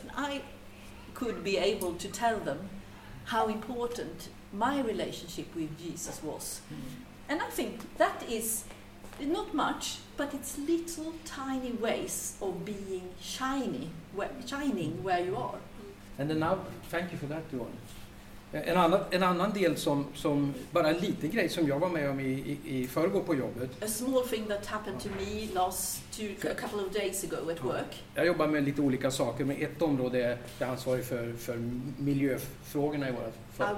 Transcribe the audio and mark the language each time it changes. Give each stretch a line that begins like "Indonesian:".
English: And I could be able to tell them how important my relationship with Jesus was. And I think that is not much, but it's little tiny ways of being shining where you are. And then now, thank you for that, Dion.
Swedish: En annan del som bara en liten grej som jag var med om i förrgår på jobbet.
English: A small thing that happened to me a couple of days ago at work.
Swedish: Jag jobbar med lite olika saker, men ett område är jag ansvarig för miljöfrågorna i vårt företag.